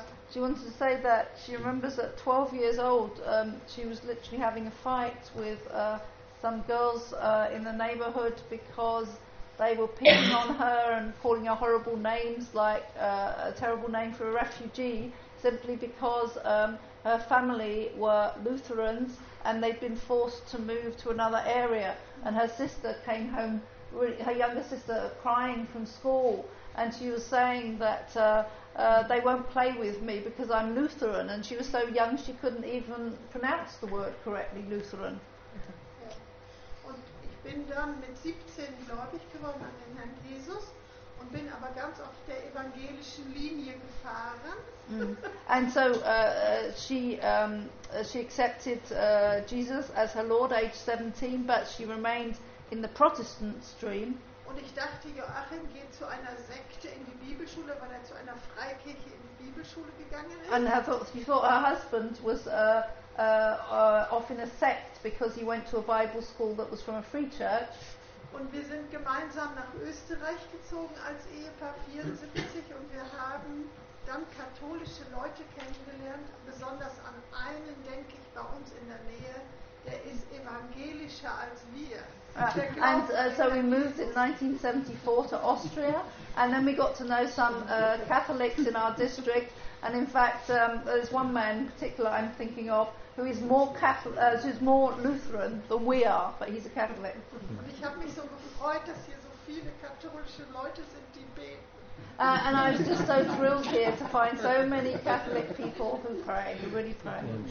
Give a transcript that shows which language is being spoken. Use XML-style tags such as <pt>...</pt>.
<en>She wants to say that she remembers at 12 years old she was literally having a fight with some girls in the neighborhood because they were picking on her and calling her horrible names, like a terrible name for a refugee, simply because her family were Lutherans and they'd been forced to move to another area. And her sister came home, her younger sister, crying from school. And she was saying that they won't play with me because I'm Lutheran. And she was so young she couldn't even pronounce the word correctly, Lutheran. Yeah.</en> <de>Und ich bin dann mit 17 gläubig geworden an den Herrn Jesus und bin aber ganz auf der evangelischen Linie gefahren.</de> <en>And so she accepted Jesus as her Lord age 17, but she remained in the Protestant stream.</en> <de>Und ich dachte, Joachim geht zu einer Sekte in die Bibelschule, weil er zu einer Freikirche in die Bibelschule gegangen ist.</de> <en>And she thought her husband was off in a sect because he went to a Bible school that was from a free church.</en> <de>Und wir sind gemeinsam nach Österreich gezogen als Ehepaar 74 und wir haben dann katholische Leute kennengelernt, besonders an einen, denke ich, bei uns in der Nähe, der ist evangelischer als wir.</de> <en>And so we moved in 1974 to Austria, and then we got to know some Catholics in our district. And in fact, there's one man in particular I'm thinking of who is more Catholic, who's more Lutheran than we are, but he's a Catholic.</en> <de>Und ich habe mich so gefreut, dass hier so viele katholische Leute sind, die beten.</de> <en>And I was just so thrilled here to find so many Catholic people who pray, who really pray.</en>